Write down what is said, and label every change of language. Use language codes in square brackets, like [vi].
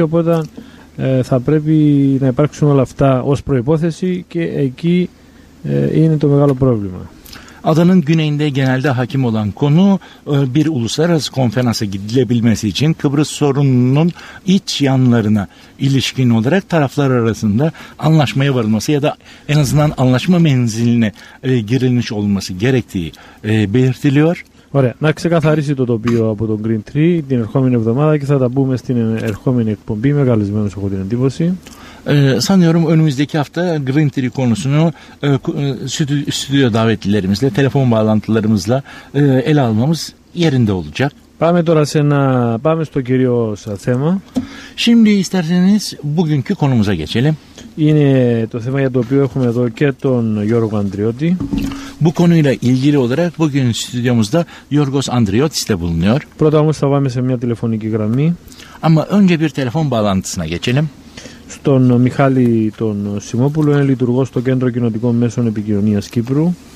[el] Οπότε θα πρέπει να υπάρξουν όλα αυτά ως προϋπόθεση και εκεί είναι το μεγάλο πρόβλημα. [tr] Adanın güneyinde genelde hakim olan konu bir uluslararası konferansa gidilebilmesi için Kıbrıs sorununun iç yanlarına ilişkin olarak taraflar arasında anlaşmaya varılması ya da en azından anlaşma menziline girilmiş olması gerektiği belirtiliyor. [el] Ωραία, να ξεκαθαρίσει το τοπίο από τον Green Tree την ερχόμενη εβδομάδα και θα τα πούμε στην ερχόμενη εκπομπή, με καλεσμένους έχω την εντύπωση. [tr] Sanıyorum önümüzdeki hafta Green Tree konusunu stüdyo davetlilerimizle, telefon bağlantılarımızla ele almamız yerinde olacak. [el] Πάμε τώρα σε ένα, πάμε στο κύριο θέμα. [tr] Şimdi isterseniz bugünkü konumuza geçelim. [el] Είναι το θέμα για το οποίο έχουμε εδώ και τον Γιώργο Ανδριώτη. [tr] Bu konuyla ilgili olarak bugün stüdyomuzda Yorgos Andriotis de bulunuyor. [el] Πρώτα όμως θα πάμε σε μια τηλεφωνική γραμμή. [tr] Ama önce bir telefon bağlantısına geçelim. [el] Στον Μιχάλη τον Σιμόπουλο, είναι λειτουργός στο Κέντρο Κοινοτικών Μέσων Επικοινωνίας Κύπρου.